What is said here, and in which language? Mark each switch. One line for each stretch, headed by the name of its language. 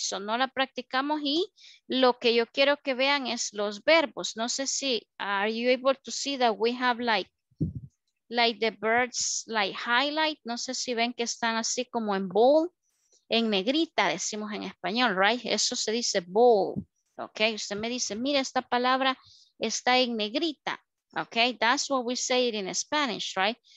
Spanish: So no la practicamos y lo que yo quiero que vean es los verbos. No sé si,
English: are you able to see that we have like the birds, like highlight?
Spanish: No sé si ven que están así como en bold, en negrita decimos en español,
English: right?
Spanish: Eso se dice bold. Okay, usted me dice, mira, esta palabra está en negrita.
English: Okay, that's what we say it in Spanish, right?